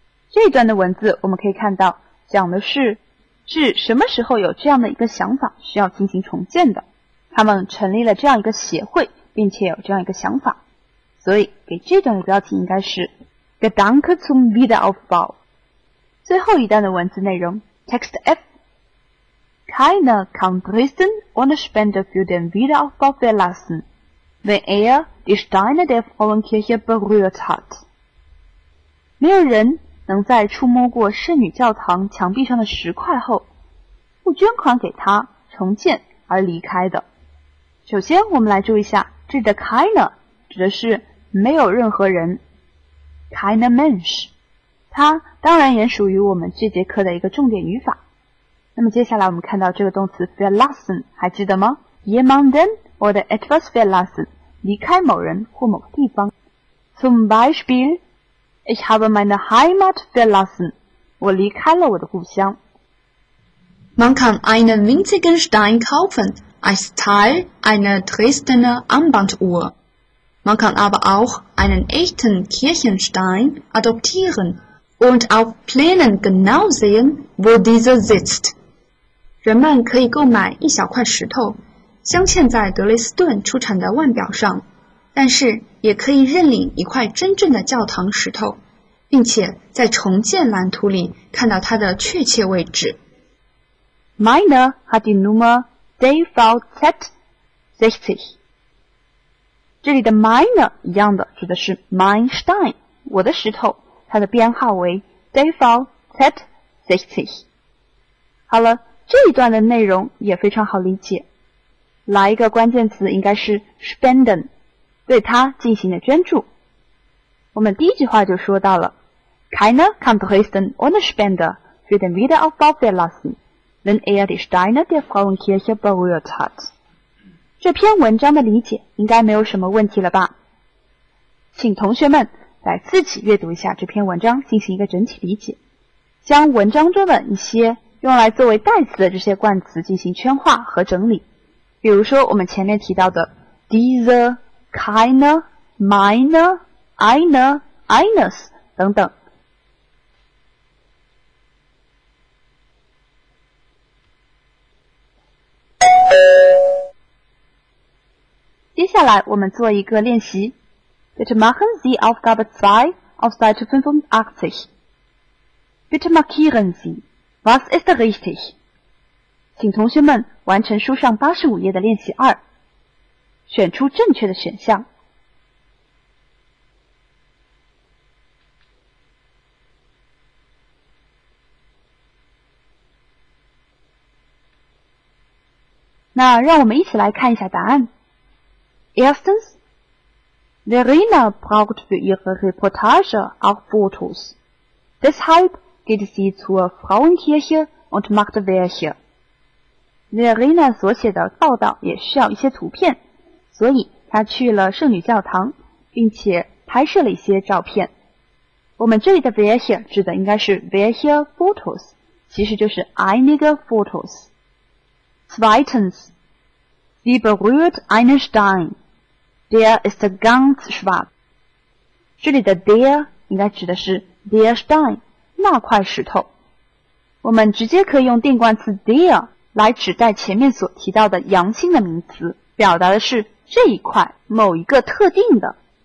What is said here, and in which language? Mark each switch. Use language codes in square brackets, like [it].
[zh] 这一段的文字我们可以看到讲的是是什么时候有这样的一个想法需要进行重建的，他们成立了这样一个协会并且有这样一个想法，所以给这段的标题应该是 [de] Gedanke zum Wiederaufbau。 [zh] 最后一段的文字内容 Text F [de] Keiner kann Dresden ohne Spende für den Wiederaufbau verlassen, wenn die Steine der Frauenkirche berührt hat。 [zh] 没有人能在触摸过圣女教堂墙壁上的石块后不捐款给他重建而离开的。首先我们来注意一下，这里的 keiner 指的是没有任何人， [de] keiner Mensch， [zh] 它当然也属于我们这节课的一个重点语法。那么接下来我们看到这个动词 verlassen， 还记得吗？ [de] jemanden oder etwas verlassen， [zh] 离开某人或某个地方。 [de] zum BeispielIch habe meine Heimat verlassen. [zh] 我离开了我的故乡。 [de] Man kann einen winzigen Stein kaufen als Teil einer Dresdner Armbanduhr. Man kann aber auch einen echten Kirchenstein adoptieren und auf Plänen genau sehen, wo dieser sitzt. [zh] 人们可以购买一小块石头，镶嵌在德累斯顿出产的腕表上。但是也可以认领一块真正的教堂石头，并且在重建蓝图里看到它的确切位置。 [de] Meine hat die Nummer DVZ60。 [zh] 这里的 meine 一样的指的是 [de] mein Stein， [zh] 我的石头，它的编号为 DVZ60。好了，这一段的内容也非常好理解，来一个关键词应该是 spenden，对他进行了捐助。我们第一句话就说到了 [de] Keiner kann Dresden ohne Spende für den Wiederaufbau verlassen, wenn die Steine der Frauenkirche berührt hat。 [zh] 这篇文章的理解应该没有什么问题了吧？请同学们来自己阅读一下这篇文章进行一个整体理解，将文章中的一些用来作为代词的这些冠词进行圈化和整理，比如说我们前面提到的 [de] DieserKeiner, meiner, einer, eines [zh] 等等。接下来我们做一个练习。 [de] Bitte machen Sie Aufgabe 2 auf Seite 85. Bitte markieren Sie, was ist richtig? [zh] 请同学们完成书上85页的练习2。选出正确的选项。那让我们一起来看一下答案。 [de] Erstens, Verena braucht für ihre Reportage auch Fotos. Deshalb geht sie zur Frauenkirche und macht welche. [zh] Verena 所写的报道也需要一些图片。所以他去了圣女教堂并且拍摄了一些照片。我们这里的 welche 指的应该是 [de] welche Fotos， [zh] 其实就是 [de] einige Fotos。 Zweitens, sie berührt einen Stein, der ist ganz schwarz。 [zh] 这里的 der 应该指的是 [de] der Stein， [zh] 那块石头。我们直接可以用定冠词 der 来指代前面所提到的阳性的名词，表达的是这一块某一个特定的。